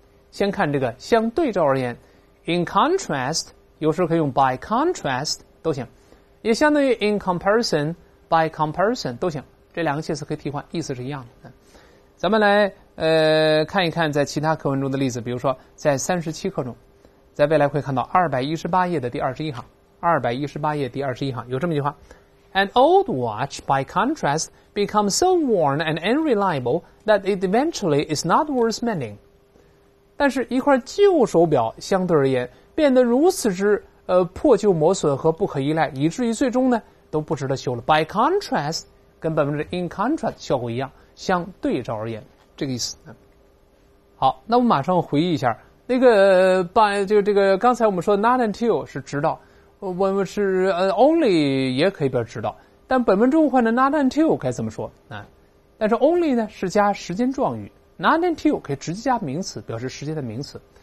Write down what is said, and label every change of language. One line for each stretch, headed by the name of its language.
Chinese: 先看这个相对照而言，
English: in contrast
Chinese: 有时候可以用
English: by contrast
Chinese: 都行，也相当于
English: in comparison by comparison
Chinese: 都行，这两个介词可以替换，意思是一样的。咱们来看一看在其他课文中的例子，比如说在37课中，在未来会看到218页的第21行有这么一句话，
English: An old watch by contrast becomes so worn and unreliable that it eventually is not worth mending，
Chinese: 但是一块旧手表相对而言变得如此之破旧磨损和不可依赖，以至于最终呢都不值得修了。
English: By contrast
Chinese: 跟本文的
English: in contrast
Chinese: 效果一样，相对照而言，这个意思。好，那我们马上回忆一下那个刚才我们说
English: not until
Chinese: 是直到，我们是 only 也可以表示直到，但本文中换的 not until 该怎么说但是 only 呢是加时间状语，
English: Not until
Chinese: 可以直接加名词，表示时间的名词。